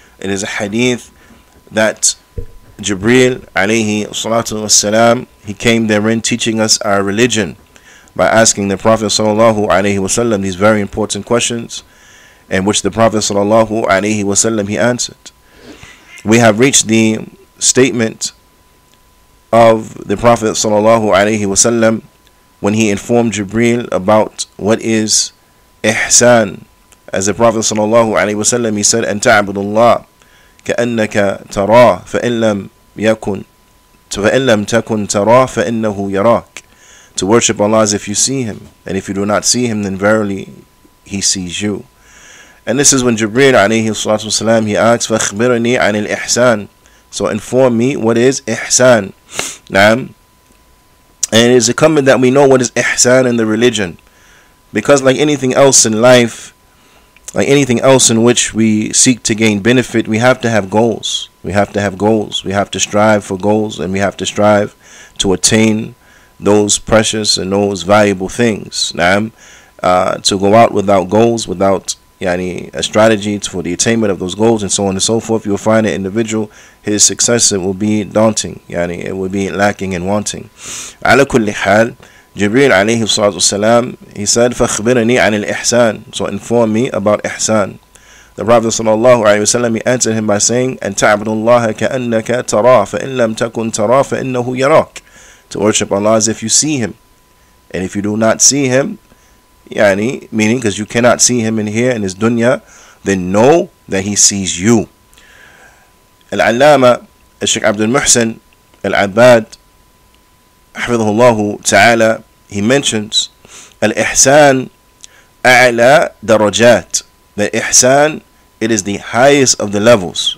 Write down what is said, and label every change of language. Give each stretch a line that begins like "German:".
English: It is a hadith that Jibreel alayhi salatu wassalam, he came therein teaching us our religion by asking the Prophet sallallahu alayhi wasallam these very important questions, in which the Prophet sallallahu alayhi wasallam, he answered. We have reached the statement of the Prophet sallallahu alayhi wasallam when he informed Jibreel about what is ihsan. As the Prophet sallallahu alayhi wasallam, he said,
Arabic: أن تعبد الله كأنك تراه فإن لم يكن فإن لم تكن تراه فإنه يراك,
English: to worship Allah as if you see him. And if you do not see him, then verily he sees you. And this is when Jibreel alayhi salatu wasalam, he asks,
Arabic: فَاخْبِرْنِي عَنِ الْإِحْسَانِ.
English: So inform me what is ihsan. Naam. And it is incumbent that we know what is ihsan in the religion. Because like anything else in life, like anything else in which we seek to gain benefit, we have to have goals. We have to have goals. We have to strive for goals, and we have to strive to attain those precious and those valuable things. Naam. To go out without goals, without yani a strategy for the attainment of those goals and so on and so forth, you'll find an individual, his success it will be daunting, yani it will be lacking and wanting. Ala kulli hal, Jibreel alayhi salatu wasalam, he said,
Arabic: فَاخْبِرْنِي عَنِ الْإِحْسَانِ.
English: So inform me about ihsan. The Prophet sallallahu alayhi wasallam, he answered him by saying,
Arabic: أَن تَعْبُدُ اللَّهَ كَأَنَّكَ تَرَى فَإِن لَمْ تَكُن تَرَى فَإِنَّهُ يَرَاكَ.
English: To worship Allah as if you see him. And if you do not see him, yani, meaning because you cannot see him in here in his dunya, then know that he sees you. Al-Allama Sheikh Abdul Muhsin Al-Abbad hafidhahullah ta'ala, he mentions Al-Ihsan A'la darajat, that Ihsan, it is the highest of the levels.